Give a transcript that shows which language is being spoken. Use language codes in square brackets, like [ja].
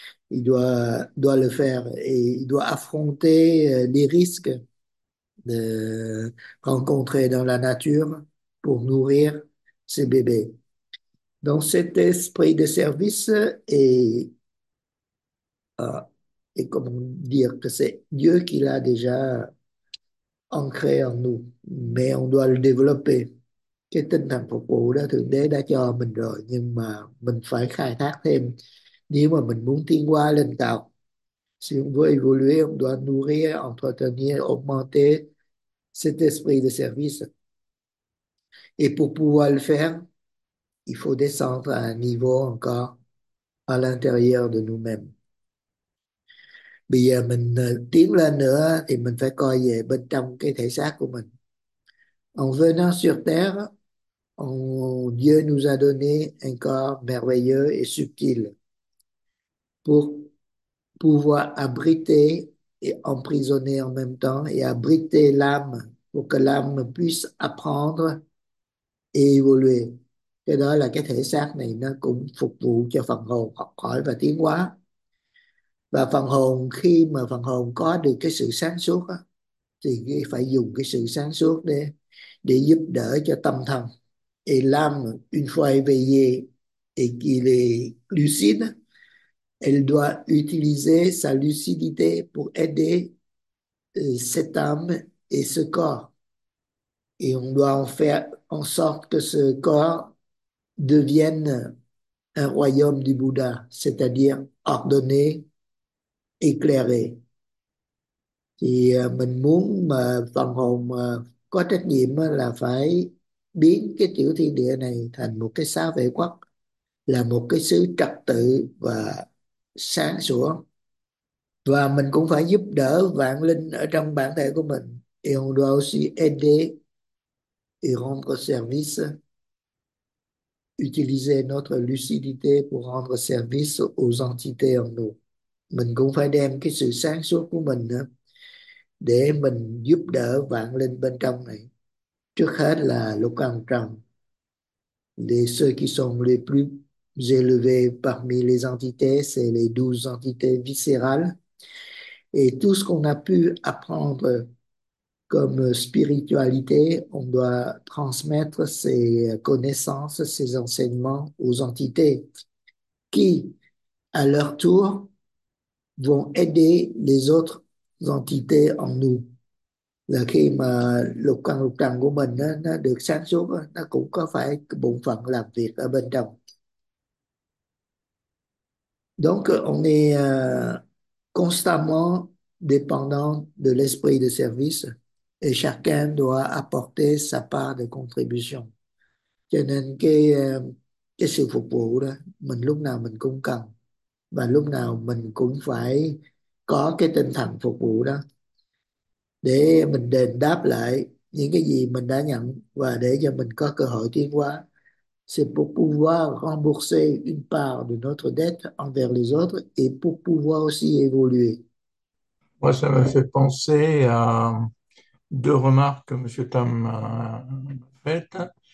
[fr] Ils doivent le faire et ils doivent affronter les risques de rencontrer dans la nature pour nourrir ces bébés. Donc cet esprit de service est comment dire que c'est Dieu qui l'a déjà ancré en nous, mais on doit le développer. [vi] Cái tinh thần phục vụ đó Thượng Đế đã cho mình rồi, nhưng mà mình phải khai thác thêm. Nếu mà mình muốn tiến hóa lên cao, [fr] si on veut évoluer, on doit nourrir, entretenir, augmenter cet esprit de service. Et pour pouvoir le faire, il faut descendre à un niveau encore à l'intérieur de nous-mêmes. [vi] Bây giờ mình tiến lên nữa thì mình phải coi về bên trong cái thể xác của mình. [fr] On veut nous sur terre, on Dieu nous a donné un corps merveilleux et subtil pour pouvoir abriter et emprisonner en même temps et abriter l'âme pour que l'âme puisse apprendre et évoluer. [vi] Cái đó là cái thể xác này nó cũng phục vụ cho phần hồn học hỏi và tiến hóa. Và phần hồn, khi mà phần hồn có được cái sự sáng suốt á, thì phải dùng cái sự sáng suốt để giúp đỡ cho tâm thần. [fr] Et l'âme, une fois éveillée et qu'il est lucide, elle doit utiliser sa lucidité pour aider cette âme et ce corps. Et on doit en faire en sorte que ce corps devienne un royaume du Bouddha, c'est-à-dire ordonné, éclairé. [vi] Thì mình muốn mà phần hồn có trách nhiệm là phải biến cái tiểu thiên địa này thành một cái xá vệ quốc, là một cái xứ trật tự và sáng sủa. Và mình cũng phải giúp đỡ vạn linh ở trong bản thể của mình. [fr] Et on doit aussi aider et rendre service, utiliser notre lucidité pour rendre service aux entités en nous. [vi] Mình cũng phải đem cái sự sáng suốt của mình để mình giúp đỡ vạn linh bên trong này. Trước hết là lục căn trần, [fr] les ceux qui sont les plus élevés parmi les entités, c'est les 12 entités viscérales. Et tout ce qu'on a pu apprendre comme spiritualité, on doit transmettre ces connaissances, ces enseignements aux entités qui, à leur tour, vont aider les autres entités en nous. [vi] Là khi mà lục căn của mình nó được sáng suốt, nó cũng có phải bổn phận làm việc ở bên trong. [fr] Donc, on est constamment dépendant de l'esprit de service et chacun doit apporter sa part de contribution. [vi] Cho nên cái sự phục vụ đó, mình lúc nào mình cũng cần và lúc nào mình cũng phải có cái tinh thần phục vụ đó để mình đền đáp lại những cái gì mình đã nhận và để cho mình có cơ hội tiến hóa. [fr] C'est pour pouvoir rembourser une part de notre dette envers les autres et pour pouvoir aussi évoluer. Moi, ça m'a fait penser à deux remarques que M. Tam a faites.